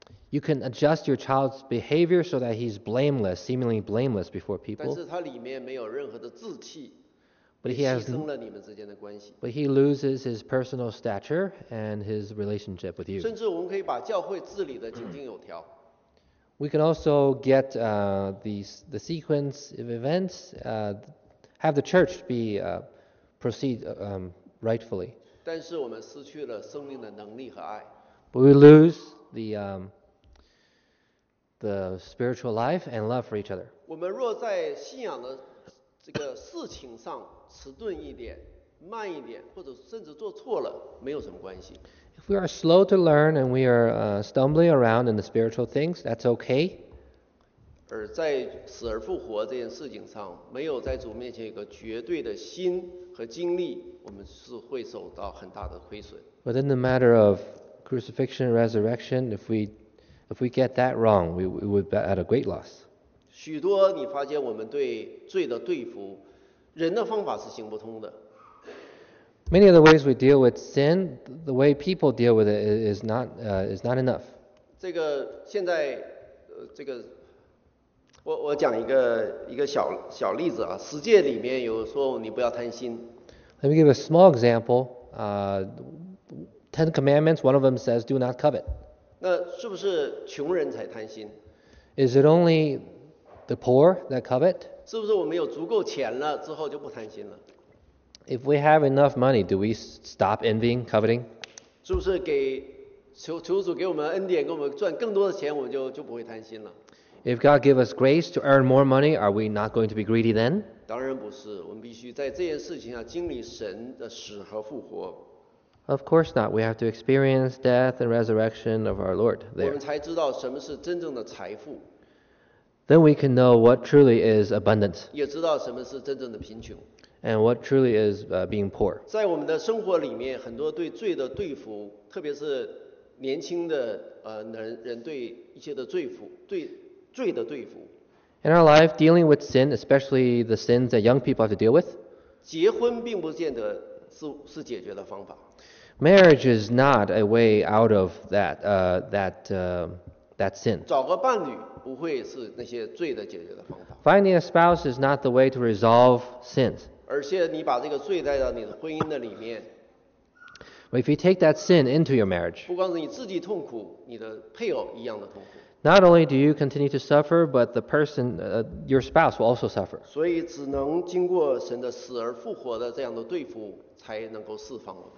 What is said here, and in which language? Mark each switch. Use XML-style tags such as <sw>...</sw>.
<en>You can adjust your child's behavior so that he's blameless, seemingly blameless before people.</en> <zh>但是他里面没有任何的志气。</zh> <en>But he loses his personal stature and his relationship with you.</en> <zh>甚至我们可以把教会治理得井井有条。</zh> <en>We can also get the sequence of events, have the church be proceed rightfully.</en> <zh>但是我们失去了生命的能力和爱。</zh> <en>But we lose the spiritual life and love for each other.</en> <zh>我们若在信仰的这个事情上迟钝一点，慢一点，或者甚至做错了，没有什么关系。</zh> <en>If we are slow to learn and we are stumbling around in the spiritual things, that's okay.</en> <zh>而在死而复活这件事情上，没有在主面前有个绝对的心和精力，我们是会受到很大的亏损。</zh> <en>But in the matter of crucifixion and resurrection, if we get that wrong, we would be at a great loss.</en> <zh>许多你发现我们对罪的对付。人的方法是行不通的。</zh> <en>Many of the ways we deal with sin, the way people deal with it is not enough.</en> <zh>这个现在这个我讲一个小例子啊，十诫里面有说你不要贪心。</zh> <en>Let me give a small example. Ten commandments, one of them says, "Do not covet."</en> <zh>那是不是穷人才贪心</zh> <en>？Is it only the poor that covet?</en> <zh>是不是我们有足够钱了之后就不贪心了</zh> <en>？If we have enough money, do we stop envying, coveting?</en> <zh>是不是给求主给我们恩典，给我们赚更多的钱，我们就不会贪心了</zh> <en>？If God give us grace to earn more money, are we not going to be greedy then?</en> <zh>当然不是，我们必须在这件事情上经历神的死和复活。</zh> <en>Of course not. We have to experience death and resurrection of our Lord there.</en> <zh>我们才知道什么是真正的财富。</zh> <en>Then we can know what truly is abundance.</en> <zh>也知道什么是真正的贫穷。</zh> <en>And what truly is being poor.</en> <zh>在我们的生活里面，很多对罪的对付，特别是年轻的人对一些的罪付，对罪的对付。</zh> <en>In our life, dealing with sin, especially the sins that young people have to deal with.</en> <zh>结婚并不见得是解决的方法。</zh> <en>Marriage is not a way out of that sin.</en> <zh>找个伴侣。不会是那些罪的解决的方法。</zh> <en>Finding a spouse is not the way to resolve sins.</en> <zh>而且你把这个罪带到你的婚姻的里面。</zh> <en>But if you take that sin into your marriage,</en> <zh>不光是你自己痛苦，你的配偶一样的痛苦。</zh> <en>Not only do you continue to suffer, but the person, your spouse will also suffer.</en> <zh>所以只能经过神的死而复活的这样的对付，才能够释放我们。</zh>